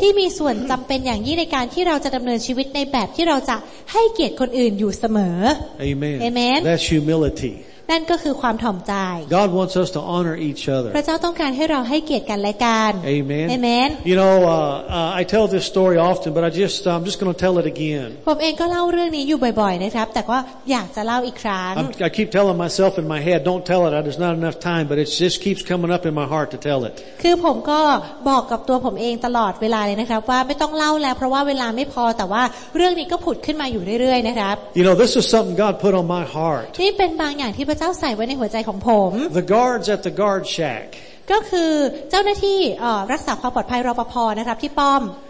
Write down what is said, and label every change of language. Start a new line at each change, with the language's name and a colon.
Thai: ที่มีส่วนจำเป็นอย่างยิ่งในการที่เราจะดำเนินชีวิตในแบบที่เราจะให้เกียรติคนอื่นอยู่เสมอ
English: Amen. Amen. That's humility.
Thai: นั่นก็คือความถ่อมใจ
English: God wants us to honor each other.
Thai: พระเจ้าต้องการให้เราให้เกียรติกันและกัน
English: Amen. Amen. You know, I tell this story often, but I'm just going to tell it again.
Thai: ผมเองก็เล่าเรื่องนี้อยู่บ่อยๆนะครับแต่ว่าอยากจะเล่าอีกครั้ง
English: I keep telling myself in my head, don't tell it. There's not enough time, but it just keeps coming up in my heart to tell it.
Thai: คือผมก็บอกกับตัวผมเองตลอดเวลาเลยนะครับว่าไม่ต้องเล่าแล้วเพราะว่าเวลาไม่พอแต่ว่าเรื่องนี้ก็ผุดขึ้นมาอยู่เรื่อยๆนะครับ
English: You know, this is something God put on my heart.
Thai: ที่เป็นบางอย่างที่เจ้าใส่ไว้ในหัวใจของผม
English: The guards at the guard shack
Thai: ก็คือเจ้าหน้าที่รักษาความปลอดภัยรปภ.นะครับที่ป้อม